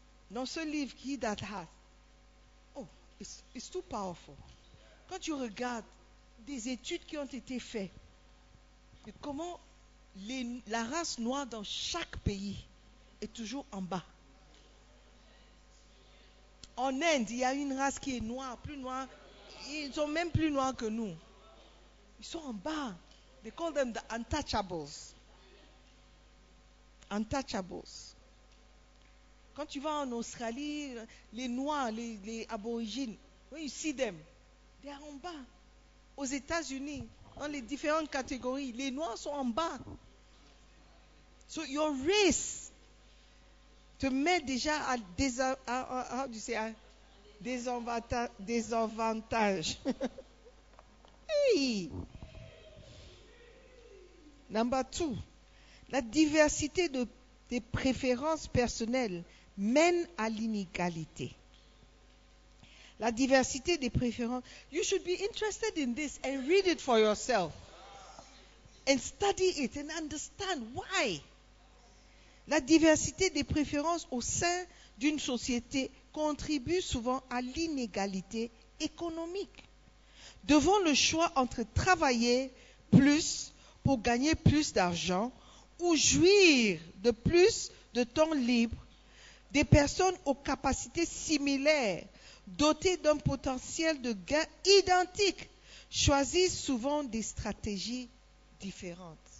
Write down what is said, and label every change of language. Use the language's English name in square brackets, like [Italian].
[French] Dans ce livre, He That Hath, [English] it's too powerful. [French] Quand tu regardes des études qui ont été faites, de comment la race noire dans chaque pays est toujours en bas. En Inde, il y a une race qui est noire, plus noire. Ils sont même plus noirs que nous. Ils sont en bas. [English] They call them the untouchables. Untouchables. [French] Quand tu vas en Australie, les noirs, les aborigines, [English] when you see them, they are [French] en bas. Aux États-Unis, dans les différentes catégories, les noirs sont en bas. [English] So your race [French] te met déjà à désavantage. Hey. [English] Number two, [French] la diversité des préférences personnelles mène à l'inégalité. La diversité des préférences. [English] You should be interested in this and read it for yourself and study it and understand why. [French] La diversité des préférences au sein d'une société contribue souvent à l'inégalité économique. Devant le choix entre travailler plus pour gagner plus d'argent ou jouir de plus de temps libre, des personnes aux capacités similaires, dotées d'un potentiel de gain identique, choisissent souvent des stratégies différentes.